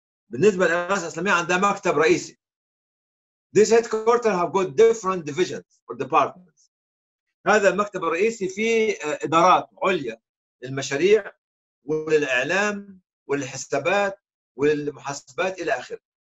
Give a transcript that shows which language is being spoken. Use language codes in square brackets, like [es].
[ar] بالنسبة للإغاثة الإسلامية عندها مكتب رئيسي. [en] This headquarter have got different divisions or departments. [ar] هذا المكتب الرئيسي فيه إدارات عليا للمشاريع وللإعلام والحسابات والمحاسبات إلى آخره.